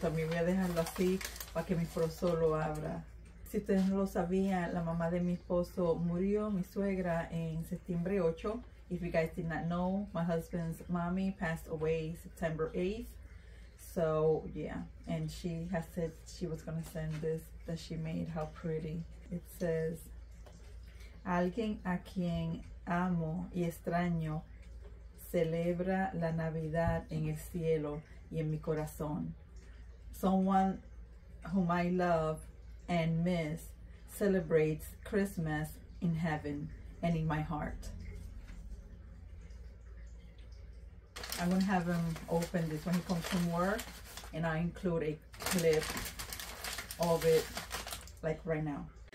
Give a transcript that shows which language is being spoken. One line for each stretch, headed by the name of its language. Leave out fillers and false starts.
Spanish: También voy a dejarlo así para que mi esposo lo abra. Si ustedes no lo sabían, la mamá de mi esposo murió, mi suegra, en septiembre 8.
English: If you guys did not know, my husband's mommy passed away September 8th. So, yeah. And she has said she was going to send this that she made. How pretty. It says,
Spanish: alguien a quien amo y extraño celebra la Navidad en el cielo y en mi corazón.
English: Someone whom I love and miss celebrates Christmas in heaven and in my heart. I'm gonna have him open this when he comes from work, and I include a clip of it like right now.